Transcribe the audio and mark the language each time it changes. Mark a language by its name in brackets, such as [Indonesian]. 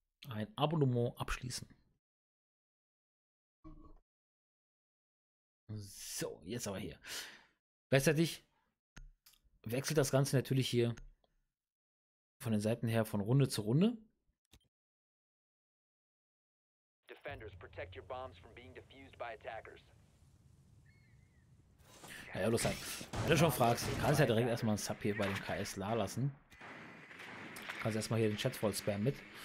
[German] Ein Abonnement abschließen. So, jetzt aber hier. Gleichzeitig wechselt das Ganze natürlich hier von den Seiten her von Runde zu Runde. [English] Defenders, protect your bombs from being defused by attackers. [German] Naja, los halt. Wenn du schon fragst, kannst du ja direkt erstmal einen Sub hier bei dem KS la lassen. Kannst erstmal hier den Chat voll spammen mit.